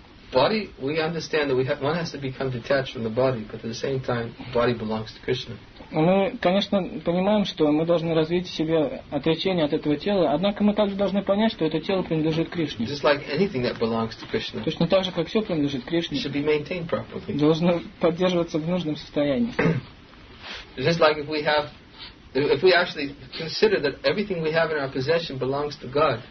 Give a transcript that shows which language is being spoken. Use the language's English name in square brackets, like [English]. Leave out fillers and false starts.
[English] Body, we understand that one has to become detached from the body, but at the same time, body belongs to Krishna. [Russian] Мы, конечно, понимаем, что мы должны развить в себе отречение от этого тела, однако мы также должны понять, что это тело принадлежит Кришне. [English] Just like anything that belongs to Krishna. [Russian] Точно так же, как все принадлежит Кришне. [English] Should be maintained properly. [Russian] Должно поддерживаться в нужном состоянии. [English] Just like if we actually consider that everything we have in our possession belongs to God.